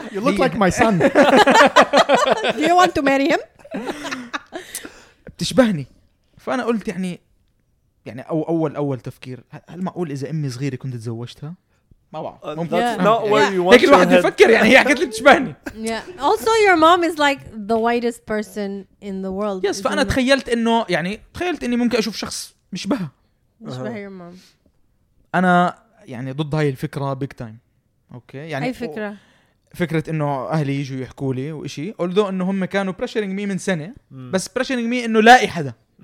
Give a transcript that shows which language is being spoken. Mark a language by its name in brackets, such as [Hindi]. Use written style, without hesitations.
[English] You look like my son. Do you want to marry him? [Arabic] بتشبهني. فأنا قلت يعني. يعني أول تفكير، هل معقول إذا أمي صغيرة كنت تزوجتها؟ ما بعرف. ممكن. [English] That's not where you want. [Arabic] هيك الواحد يفكر، يعني هي حكت لي بتشبهني. [English] Yeah. Also your mom is like the whitest person in the world. Yes. [Arabic] فأنا تخيلت إنه يعني تخيلت إني ممكن أشوف شخص مشبهها. مشبه [English] your mom. [Arabic] أنا يعني ضد هاي الفكرة [English] big time. [Arabic] أوكي. يعني. أي فكرة؟ فكرة إنه أهلي يجوا يحكوا لي وإشي. قلدوا إنه هم كانوا [English] pressuring me [Arabic] من سنة. بس [English] pressuring me [Arabic] إنه لاقي حدا.